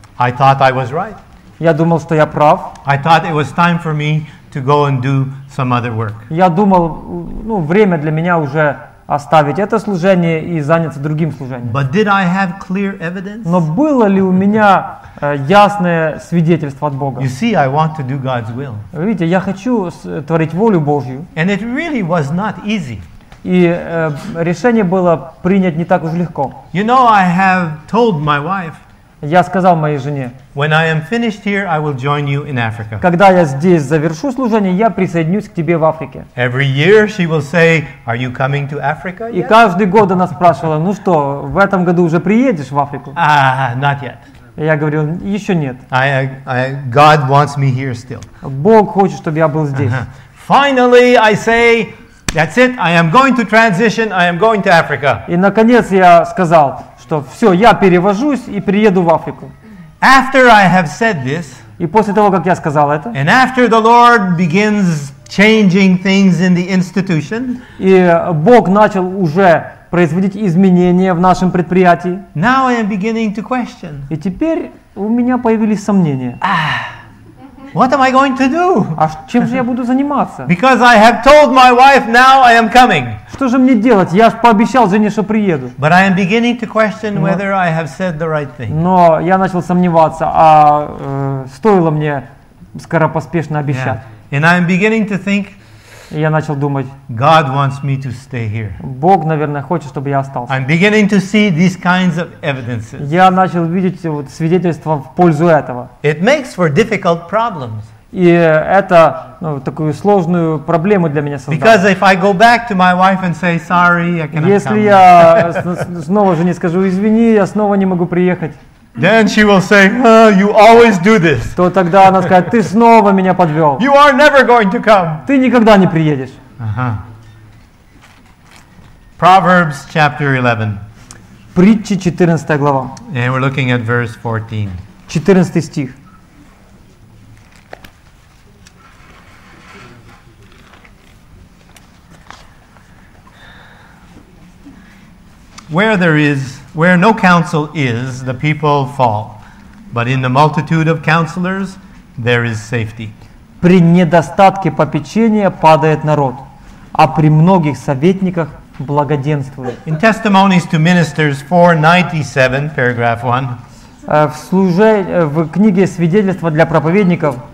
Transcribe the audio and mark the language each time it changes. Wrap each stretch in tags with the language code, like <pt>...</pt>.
<en>I thought I was right.</en> <ru>Я думал, что я прав.</ru> <en>I thought it was time for me to go and do some other work.</en> <ru>Я думал, ну, время для меня уже оставить это служение и заняться другим служением.</ru> <en>But did I have clear evidence?</en> <ru>Но было ли у меня ясное свидетельство от Бога?</ru> <en>You see, I want to do God's will.</en> <ru>Вы видите, я хочу творить волю Божью.</ru> <en>And it really was not easy.</en> <ru>И решение было принять не так уж легко.</ru> <en>You know, I have told my wife,</en> <ru>я сказал моей жене,</ru> <en>when I am finished here, I will join you in Africa.</en> <ru>Когда я здесь завершу служение, я присоединюсь к тебе в Африке.</ru> <en>Every year she will say, are you coming to Africa yet?</en> <ru>И каждый год она спрашивала, ну что, в этом году уже приедешь в Африку?</ru> <en>Not yet.</en> <ru>Я говорю, еще нет.</ru> <en>God wants me here still.</en> <ru>Бог хочет, чтобы я был здесь.</ru> <en>Finally, I say, that's it, I am going to transition, I am going to Africa.</en> <ru>И наконец я сказал, что все, я перевожусь и приеду в Африку.</ru> <en>After I have said this,</en> <ru>и после того, как я сказал это,</ru> <en>and after the Lord begins changing things in the institution,</en> <ru>и Бог начал уже производить изменения в нашем предприятии,</ru> <en>now I am beginning to question.</en> <ru>И теперь у меня появились сомнения.</ru> <en>What am I going to do?</en> <ru>А чем же я буду заниматься?</ru> <en>Because I have told my wife, now I am coming.</en> <ru>Что же мне делать? Я же пообещал жене, что приеду.</ru> <en>But I am beginning to question whether I have said the right thing.</en> <ru>Но я начал сомневаться, а стоило мне скоропоспешно обещать.</ru> <en>Yeah. And I am beginning to think,</en> <ru>я начал думать,</ru> <en>God wants me to stay here.</en> <ru>Бог, наверное, хочет, чтобы я остался.</ru> <en>I'm beginning to see these kinds of evidences.</en> <ru>Я начал видеть вот свидетельства в пользу этого.</ru> <en>It makes for difficult problems.</en> <ru>И это, ну, такую сложную проблему для меня создало.</ru> <en>Because if I go back to my wife and say, sorry, I cannot come.</en> <ru>Если я снова жене скажу, извини, я снова не могу приехать.</ru> <en>Then she will say, you always do this.</en> <ru>То тогда она скажет, ты снова меня подвел.</ru> <en>You are never going to come.</en> <ru>Ты никогда не приедешь.</ru> <en>Proverbs chapter 11.</en> <ru>Притчи 14 глава.</ru> <en>And we're looking at verse 14.</en> <ru>14 стих.</ru> <en>Where there is, where no counsel is, the people fall. But in the multitude of counselors, there is safety.</en> <ru>При недостатке попечения падает народ, а при многих советниках благоденствует.</ru> <en>In Testimonies to Ministers 497, paragraph 1.</en> <ru>В книге свидетельства для проповедников.</ru>